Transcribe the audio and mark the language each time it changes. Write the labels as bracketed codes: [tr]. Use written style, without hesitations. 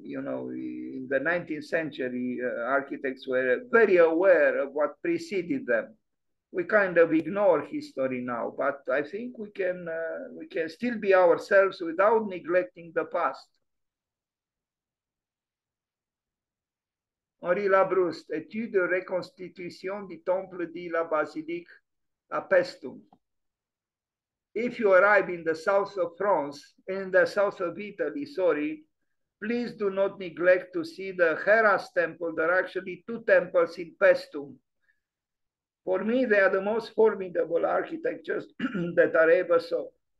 [en] In the 19th century, architects were very aware of what preceded them. We kind of ignore history now, but I think we can still be ourselves without neglecting the past. [fr] Henri Labrouste, Étude de reconstitution du temple de la Basilique à Pestum. [en] If you arrive in the south of France, in the south of Italy, sorry, please do not neglect to see the Hera's temple. There are actually two temples in Pestum. For me, they are the most formidable architectures that I ever saw.